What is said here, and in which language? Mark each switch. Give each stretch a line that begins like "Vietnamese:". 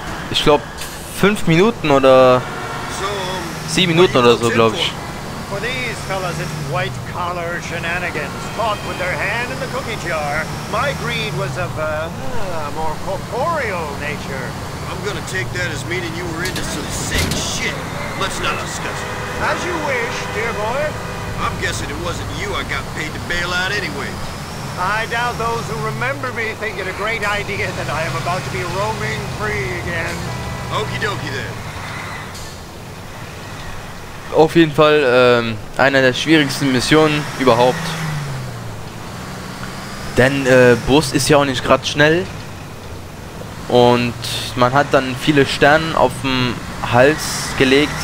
German: Ich glaube 5 Minuten oder 7 Minuten oder so, glaube ich.
English: For these fellas in white collar shenanigans, caught with their hand in the cookie jar. My greed was of a more corporeal nature. I'm gonna take that as meaning you were into some sick shit. Let's not discuss it. As you wish, dear boy. I'm guessing it wasn't you I got paid to bail out anyway. I doubt those who remember me think it a great idea that I am about to be roaming free again. Okie dokie then.
German: Auf jeden Fall eine der schwierigsten Missionen überhaupt. Denn Bus ist ja auch nicht gerade schnell. Und man hat dann viele Sterne auf dem Hals gelegt.